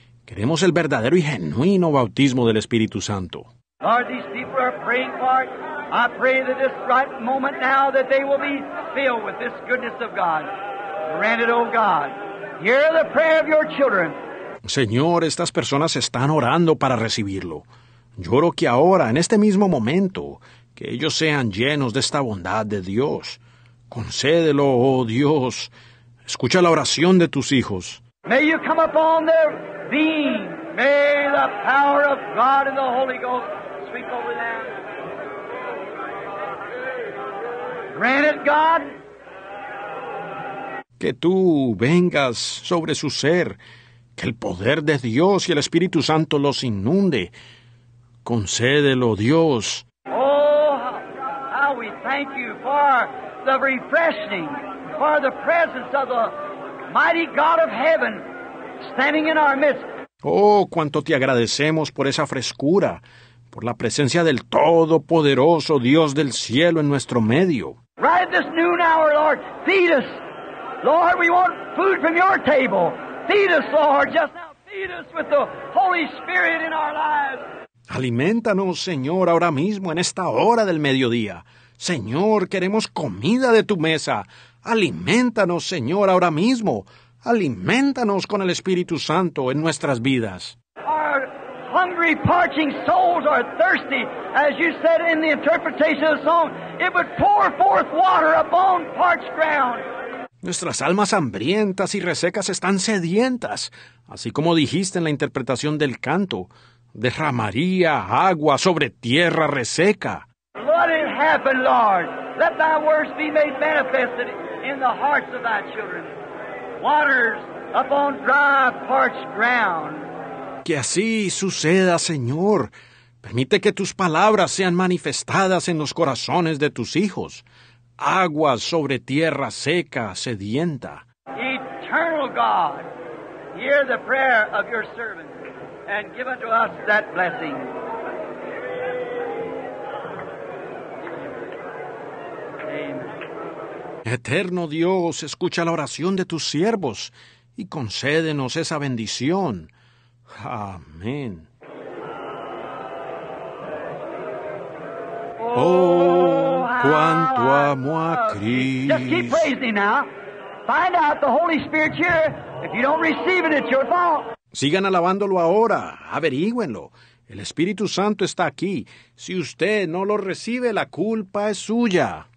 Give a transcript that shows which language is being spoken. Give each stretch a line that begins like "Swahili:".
Spanish: Queremos el verdadero y genuino bautismo del Espíritu Santo.
English: Lord, these people are praying for it. I pray that this right moment now that they will be filled with this goodness of God. Granted, oh God, hear the prayer of your children.
Spanish: Señor, estas personas están orando para recibirlo. Yo oro que ahora, en este mismo momento, que ellos sean llenos de esta bondad de Dios. Concédelo, oh Dios. Escucha la oración de tus hijos.
English: May you come upon their being. May the power of God and the Holy Ghost sweep over them. Grant it, God.
Spanish: Que tú vengas sobre su ser. Que el poder de Dios y el Espíritu Santo los inunde. Concédelo, Dios.
English: Oh, how we thank you for the refreshing, for the presence of the mighty God of heaven standing in our midst.
Spanish: Oh, cuánto te agradecemos por esa frescura, por la presencia del Todopoderoso Dios del cielo en nuestro medio.
English: Right at this noon hour, Lord, feed us. Lord, we want food from your table. Feed us, Lord, just now. Feed us with the Holy Spirit in our lives.
Spanish: Aliméntanos, Señor, ahora mismo, en esta hora del mediodía. Señor, queremos comida de tu mesa. Aliméntanos, Señor, ahora mismo. Aliméntanos con el Espíritu Santo en nuestras vidas.
English: Our hungry, parching souls are thirsty. As you said in the interpretation of the song, it would pour forth water upon parched ground.
Spanish: Nuestras almas hambrientas y resecas están sedientas, así como dijiste en la interpretación del canto, derramaría agua sobre tierra reseca.
English: Let it happen, Lord. Let thy words be made manifested in the hearts of thy children. Waters upon dry, parched ground.
Spanish: Que así suceda, Señor. Permite que tus palabras sean manifestadas en los corazones de tus hijos. Aguas sobre tierra seca, sedienta.
English: Eternal God, hear the prayer of your servant and give unto us that blessing. Amen.
Spanish: Eterno Dios, escucha la oración de tus siervos y concédenos esa bendición. Amén. Oh, cuánto amo a Cristo.
English: Just keep praising him now. Find out the Holy Spirit here. If you don't receive it, it's your fault.
Spanish: Sigan alabándolo ahora. Averígüenlo. El Espíritu Santo está aquí. Si usted no lo recibe, la culpa es suya.